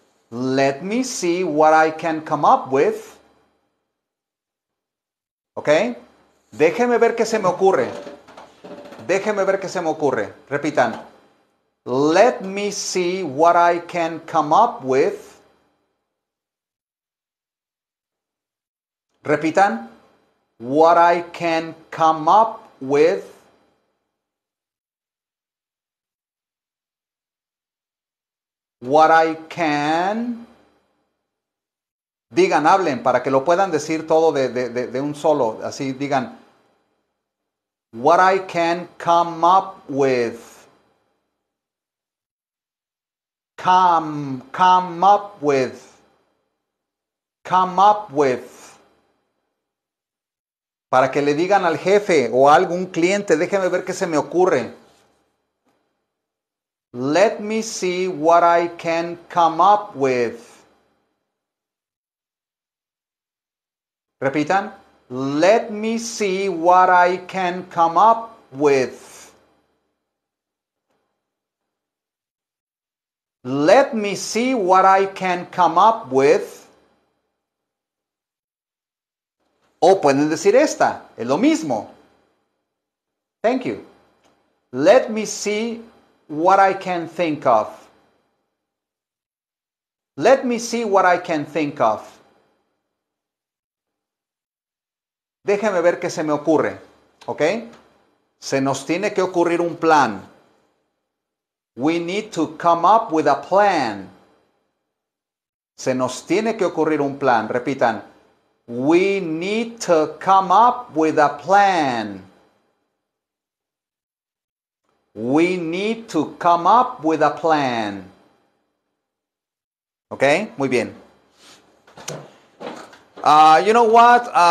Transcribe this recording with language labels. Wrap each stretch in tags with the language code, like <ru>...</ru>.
<en>Let me see what I can come up with. ¿Ok?</en> <es>Déjeme ver qué se me ocurre. Déjeme ver qué se me ocurre. Repitan.</es> <en>Let me see what I can come up with.</en> <es>Repitan.</es> <en>What I can come up with. What I can.</en> <es>Digan, hablen, para que lo puedan decir todo de un solo. Así, digan.</es> <en>What I can come up with. Come up with. Come up with.</en> <es>Para que le digan al jefe o a algún cliente, déjeme ver qué se me ocurre.</es> <en>Let me see what I can come up with.</en> <es>Repitan.</es> <en>Let me see what I can come up with. Let me see what I can come up with.</en> <es>O pueden decir esta, es lo mismo.</es> <en>Thank you. Let me see what I can think of. Let me see what I can think of.</en> <es>Déjeme ver qué se me ocurre, ¿ok? Se nos tiene que ocurrir un plan.</es> <en>We need to come up with a plan.</en> <es>Se nos tiene que ocurrir un plan, repitan.</es> <en>We need to come up with a plan. We need to come up with a plan. Okay,</en> <es>muy bien.</es> <en>You know what?</en>